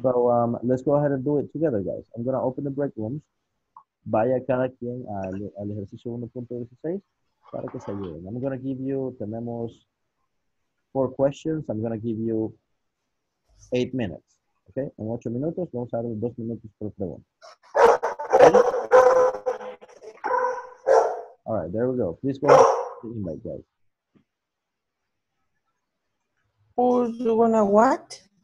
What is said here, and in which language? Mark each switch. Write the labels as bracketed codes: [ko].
[en] So, let's go ahead and do it together, guys. I'm going to open the break rooms. [es] Vaya cada quien al ejercicio 1.16 para que se ayuden. [en] I'm going to give you, [es] tenemos... [en] 4 questions, I'm going to give you 8 minutes, ¿ok? [es] En 8 minutos, vamos a dar 2 minutos por pregunta. [en] All right, there we go. Please go ahead and invite guys. Who's gonna what?